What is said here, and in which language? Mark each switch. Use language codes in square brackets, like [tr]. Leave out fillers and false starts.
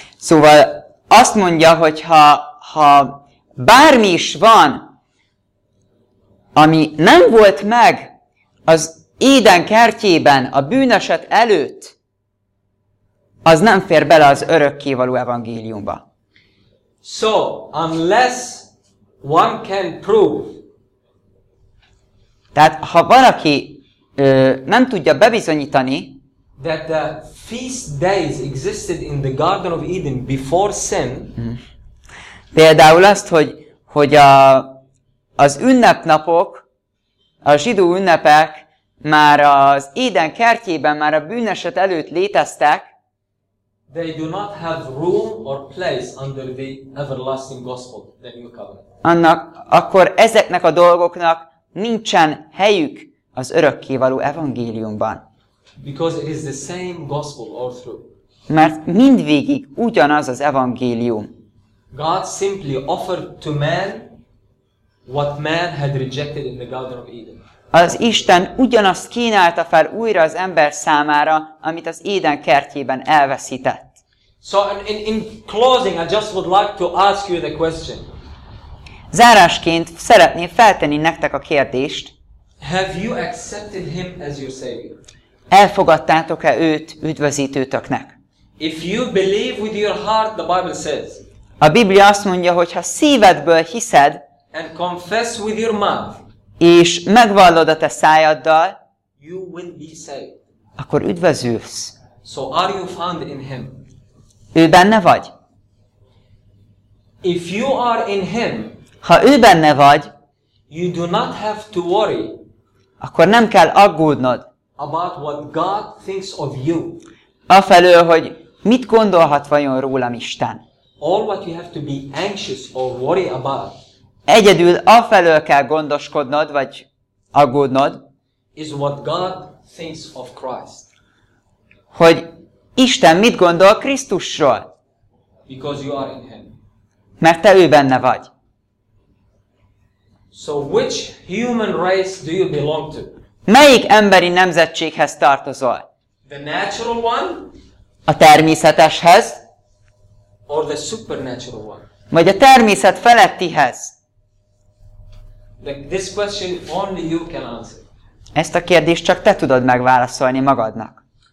[hu] Szóval azt mondja, hogy ha bármi is van, ami nem volt meg az Éden kertjében, a bűneset előtt, az nem fér bele az örökkévaló evangéliumba. [en] So, unless one can prove. [hu] Tehát, ha valaki nem tudja bebizonyítani, [en] that the feast days existed in the Garden of Eden before sin. [hu] Például azt, hogy az ünnepnapok, a zsidó ünnepek már az Éden kertjében, már a bűneset előtt léteztek. [en] They do not have room or place under the everlasting gospel, the new covenant. [hu] Annak, akkor ezeknek a dolgoknak nincsen helyük az örökkévaló evangéliumban. [en] Because it is the same gospel all through. [hu] Mert mindvégig ugyanaz az evangélium. [en] God simply offered to man what man had rejected in the Garden of Eden. [hu] Az Isten ugyanazt kínálta fel újra az ember számára, amit az Éden kertjében elveszített. [en] So in closing, I just would like to ask you the question. [hu] Zárásként szeretném feltenni nektek a kérdést. [en] Have you accepted him as your savior? [hu] Elfogadtátok-e őt üdvözítőtöknek? [en] If you believe with your heart, the Bible says. [hu] A Biblia azt mondja, hogy ha szívedből hiszed, [en] and confess with your mouth, [hu] és megvallod a te szájaddal, [en] you will be saved. [hu] Akkor üdvözülsz. [en] So are you found in him? [hu] Ő benne vagy? [en] If you are in him, [hu] ha ő benne vagy, [en] you do not have to worry, [hu] akkor nem kell aggódnod [en] about what God thinks of you. [hu] Afelől, hogy mit gondolhat vajon rólam Isten. [en] All what you have to be anxious or worry about, [hu] egyedül afelől kell gondoskodnod, vagy aggódnod, [en] is what God thinks of Christ. [hu] Hogy Isten mit gondol Krisztusról? [en] Because you are in him. [hu] Mert te ő benne vagy. [en] So which human race do you belong to? [hu] Melyik emberi nemzetséghez tartozol? [en] The natural one? [hu] A természeteshez? [en] Or the supernatural one? [hu] Vagy a természet felettihez? [en] This question only you can answer. [hu] Ezt a kérdést csak te tudod megválaszolni magadnak.